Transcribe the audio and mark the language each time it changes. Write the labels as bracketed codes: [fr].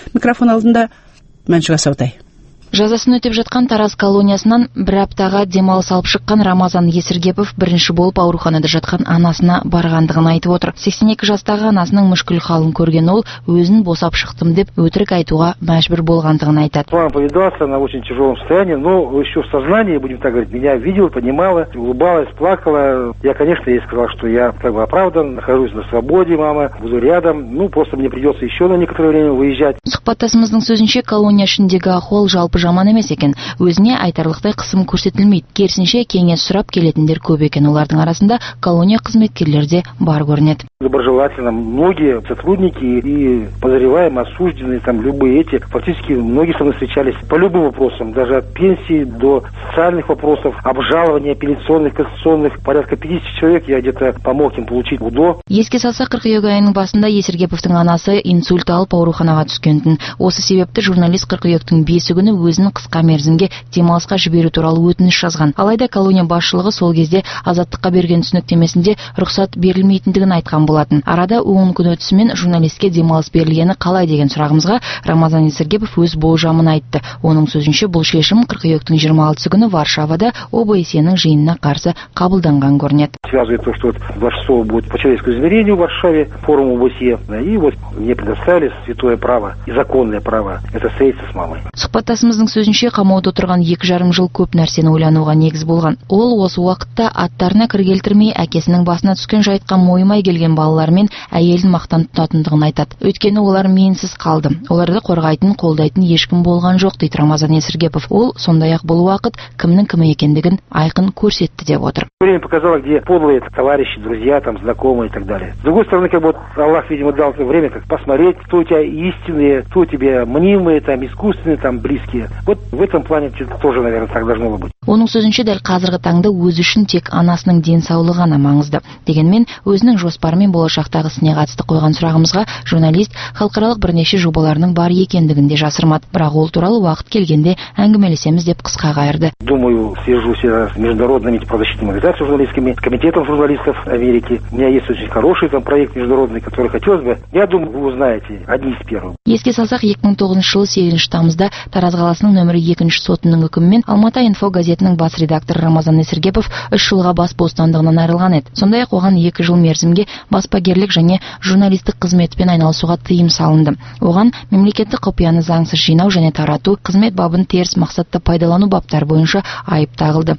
[kk] Микрофон алдында Мәншүк Асаутай. Жазасын өтеп жатқан Тараз колониясынан бір аптаға демалыс алып шыққан Рамазан Есіргепов бірінші болып ауруханада жатқан анасына барғандығын айтып отыр. 82 жастағы анасының мүшкіл халын көрген ол өзін босап шықтым деп өтірік айтуға мәжбүр болғандығын айтады. [ru] Мама повидался, она в очень тяжелом состоянии, но еще в сознании, будем так говорить, меня видела, понимала, улыбалась, плакала. Я, конечно, ей сказал, что я как бы оправдан, нахожусь на свободе, мама, буду рядом. Ну, просто мне придется еще на некоторое время выезжать. [kk] Сұхбаттасымыздың сөзінше колония ішіндегі ахуал жал жаман емес екен. Өзіне айтарлықтай қысым көрсетілмейді. Керісінше кеңес сұрап келетіндер көп екен. Олардың арасында колония қызметкерлері де бар көрінеді. [ru] Доброжелательно многие сотрудники и подозреваемые, осужденные, там любые эти, фактически многие со мной встречались по любым вопросам, даже от пенсии до социальных вопросов, обжалований апелляционных, конституционных. Порядка 50 человек я где-то помог им получить УДО. [kk] Еске салса, 42 айының басында Есіргеповтың анасы инсульт алып ауруханаға түскендін. Осы себепті журналист 42-тің 5 күні өзінің қысқа мерзімге демалысқа жіберу туралы өтініш жазған. Алайда колония басшылығы сол кезде азаттыққа берген түсініктемесінде рұқсат берілмейтіндігін айтқан. Болатын. Арада 10 күн өтісімен журналистке демалыс берілгені қалай деген сұрағымызға Рамазан Есіргепов өз болжамын айтты. Оның сөзінше бұл шешім 42-тің 26-сы күні Варшавада ОБСЕ-нің жиынына қарсы қабылданған көрінеді. [ru] Связывает то, что Варшава будет по человеческому измерению в Варшаве, форум ОБСЕ. И вот мне предоставили святое право и законное право. Это встретиться с мамой. [kk] қызының сөзінше қамауда отырған 2,5 жыл көп нәрсені ойлануға негіз болған. Ол осы уақытта аттарына кір келтірмей, әкесінің басына түскен жайтқа мойымай келген балалармен әйелін мақтан тұтатындығын айтады. Өйткені олар менсіз қалды. Оларды қорғайтын, қолдайтын ешкім болған жоқ, дейді Рамазан Есіргепов. Ол сондай-ақ бұл уақыт кімнің кімі екендігін айқын көрсетті деп отыр. [ru] Время показало, где подлые товарищи, друзья, там, знакомые и так далее. С другой стороны, как бы вот Аллах, видимо, дал тебе время как посмотреть, кто у тебя истинные, кто тебе мнимые, там, искусственные, там, близкие. Вот в этом плане тоже, наверное, так должно было быть. [kk] Оның сөзінші дәл қазіргі таңда өзі үшін тек анасының денсаулығы ғана маңызды. Дегенмен, өзінің жоспары мен болашақтағы ісіне қатысты қойған сұрағымызға журналист халықаралық бірнеше жобаларының бар екендігін де жасырмады. Бірақ ол туралы уақыт келгенде әңгімелесеміз деп қысқа қайырды. [ru] Думаю, свяжусь с международными правозащитными организациями журналистскими, комитетом журналистов Америки. У меня есть очень хороший там проект международный, который хотелось бы. Я думаю, вы узнаете одни из первых. [kk] Еске салсақ, 2009 жылы 8 тамызда Тараз қаласының нөмірі 2 сотының үкімімен Алматы Инфо газетінің бас редакторы Рамазан Есіргепов 3 жылға бас бостандығынан айырылған еді. Сондай-ақ оған 2 жыл мерзімге баспагерлік және журналистік қызметпен айналысуға тыйым салынды. Оған мемлекеттік құпияны заңсыз жинау және тарату, қызмет бабын теріс мақсатта пайдалану баптар бойынша айып тағылды.